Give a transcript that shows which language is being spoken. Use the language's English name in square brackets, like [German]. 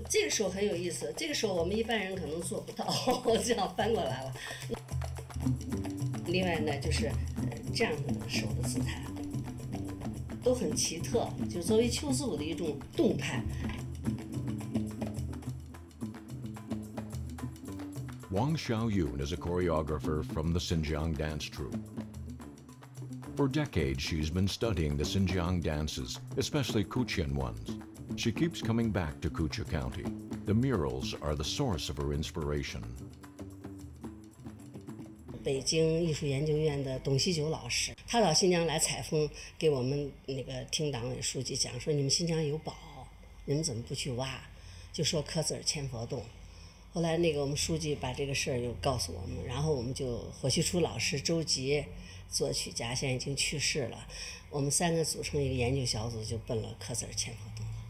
[Chinese] 手很有意思，这个手我们一般人可能做不到，我这样翻过来了。另外呢，就是这样的手的姿态都很奇特，就作为秋兹舞的一种动态。 [English] Wang Xiaoyun is a choreographer from the Xinjiang dance troupe. For decades, she's been studying the Xinjiang dances, especially Kuchian ones. She keeps coming back to Kucha County. The murals are the source of her inspiration. [Chinese] 北京艺术研究院的董希九老师，他到新疆来采风，给我们那个厅党委书记讲说，你们新疆有宝，你们怎么不去挖？就说科孜尔千佛洞。后来那个我们书记把这个事儿又告诉我们，然后我们就霍去初老师周吉，作曲家现在已经去世了，我们三个组成一个研究小组，就奔了科孜尔千佛洞。